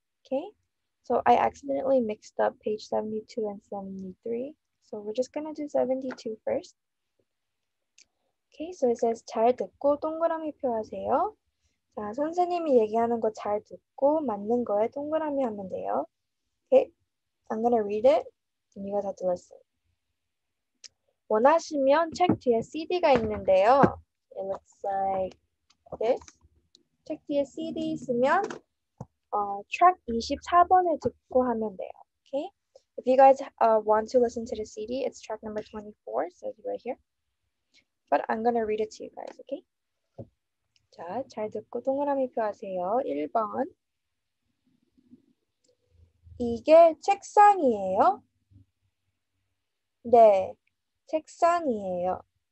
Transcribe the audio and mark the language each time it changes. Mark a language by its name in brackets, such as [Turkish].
[English] Okay, so I accidentally mixed up page 72 and 73, so we're just going to do 72 first. [Korean] Okay, so it says, [English] 잘 듣고 동그라미 표하세요. [Korean] 자, 선생님이 얘기하는 거 잘 듣고 맞는 거에 동그라미 하면 돼요. [English] Okay, I'm going to read it, and you guys have to listen. [Korean] 원하시면 책 뒤에 CD가 있는데요. [English] It looks like this. 책 뒤에 CD 있으면 track 24번을 듣고 하면 돼요. Okay? If you guys want to listen to the CD, it's track number 24, so it's right here. But I'm gonna read it to you guys, okay? [Korean] 자, 잘 듣고 동그라미 표하세요. 1번. 이게 책상이에요? 네. 책상이에요.